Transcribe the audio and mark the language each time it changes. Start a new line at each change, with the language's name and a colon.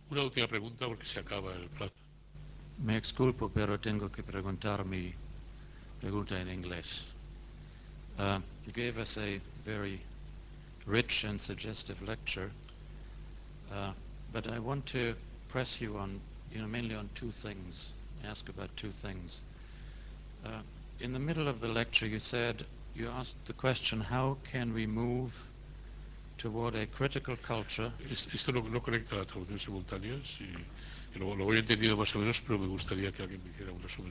Spanish: Una última pregunta porque se acaba el plazo. Me exculpo, pero tengo que preguntar mi pregunta en inglés.
English: You gave us a very rich and suggestive lecture, but I want to press you on, you know, mainly on two things, ask about two things. In the middle of the lecture, you asked the question, how can we move toward a critical culture?
Spanish: ¿Esto no conecta la traducción simultánea? Sí. Lo he entendido más o menos, pero me gustaría que alguien me hiciera un resumen.